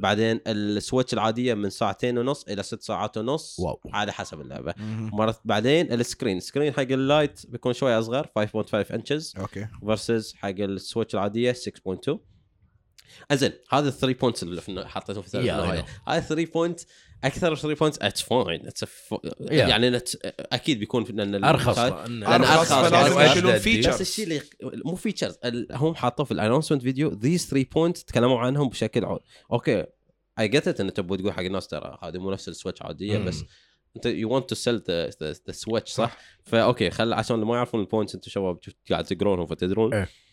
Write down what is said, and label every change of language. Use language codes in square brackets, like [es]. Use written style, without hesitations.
[ar] بعدين السويتش العادية من 2.5 إلى 6.5 ساعات. واو. على حسب اللعبة. مرة بعدين السكرين. السكرين حق اللايت بيكون شوي أصغر [en] 5.5 inches. [ar] أوكي. versus حق السويتش العادية 6.2. أزين هذا 3 points اللي حطيته في ثلاثة. هاي [en] 3 points أكثر 3 points it's fine it's a [ar] يعني أكيد بيكون إن أرخص. أرخص. بس الشيء اللي مو features هم حاطوه في الأنونسمنت فيديو [en] these 3 points [ar] تكلموا عنهم بشكل عود. أوكي [en] I get it [ar] إن تبغوا تقول حق الناس ترى هذه مو نفس السويتش عادية بس أنت [en] you want to sell the switch [ar] صح؟ فأوكي خل عشان اللي ما يعرفون ال points أنتوا شباب قاعد تقرونهم فتدرون.